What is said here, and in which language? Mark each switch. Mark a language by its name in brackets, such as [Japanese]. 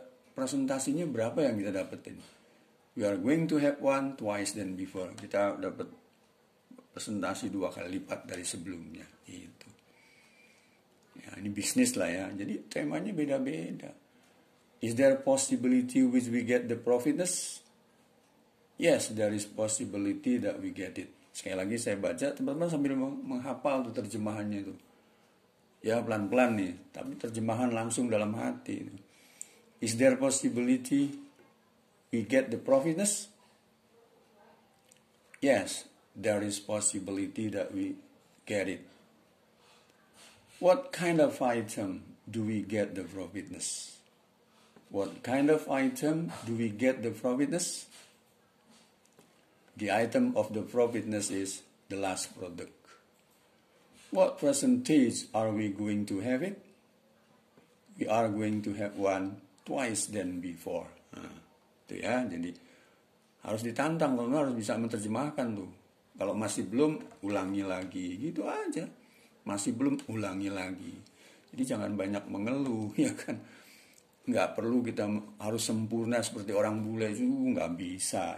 [Indonesian] Presentasinya berapa yang kita dapetin? [English] We are going to have one twice than before. [Indonesian] Kita dapat presentasi dua kali lipat dari sebelumnya. Itu. Ya, ini bisnis lah ya. Jadi temanya beda-beda. [English] Is there possibility which we get the profitness? Yes, there is possibility that we get it. [Indonesian] Sekali lagi saya baca, teman-teman sambil menghafal tuh terjemahannya itu. Ya, pelan-pelan nih, tapi terjemahan langsung dalam hati. [English] Is there possibility we get the profitness? Yes, there is possibility that we get it. What kind of item do we get the profitness? What kind of item do we get the profitness? The item of the profitness is the last product. What percentage are we going to have it? We are going to have one twice than before. [Indonesian] Itu ya, jadi harus ditantang, kalau harus bisa menerjemahkan tuh. Kalau masih belum, ulangi lagi. Gitu aja. Masih belum, ulangi lagi. Jadi jangan banyak mengeluh, ya kan? Nggak perlu kita harus sempurna seperti orang bule juga, nggak bisa.